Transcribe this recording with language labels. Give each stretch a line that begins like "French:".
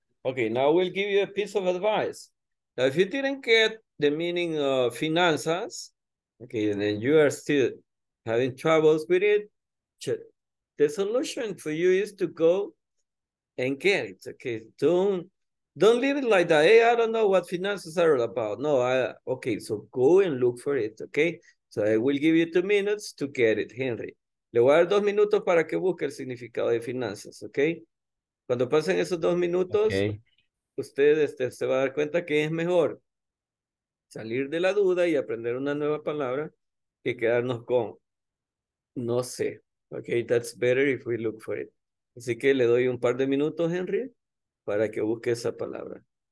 English: Okay, now we'll give you a piece of advice. Now, if you didn't get the meaning of finances, okay, and then you are still having troubles with it, the solution for you is to go and get it. Okay, don't leave it like that. Hey, I don't know what finances are about. No, okay, so go and look for it. Okay, so I will give you 2 minutes to get it, Henry.
Spanish: Le voy a dar 2 minutos para que busque el significado de finanzas, ¿ok? Cuando pasen esos 2 minutos, okay, usted se va a dar cuenta que es mejor salir de la duda y aprender una nueva palabra que quedarnos con no sé.
English: Ok, that's better if we look for it.
Spanish: Así que le doy un par de minutos, Henry, para que busque esa palabra.